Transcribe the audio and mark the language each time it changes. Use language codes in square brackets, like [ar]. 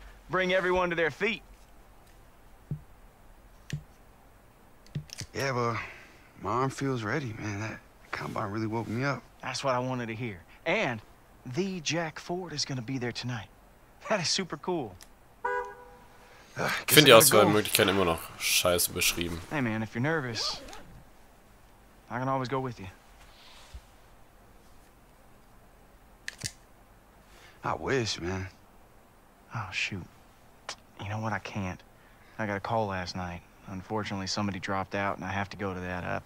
[en] Bring everyone to their feet. Yeah, well, my arm feels ready, man. That combine really woke me up. That's what I wanted to hear. And the Jack Ford is gonna be there tonight. That is super cool. [de] Ich finde die Auswahlmöglichkeiten immer noch scheiße beschrieben. [en] Hey man, if you're nervous, I can always go with you. I wish, man. Oh shoot. You know what? I can't. I got a call last night. Unfortunately, somebody dropped out, and I have to go to that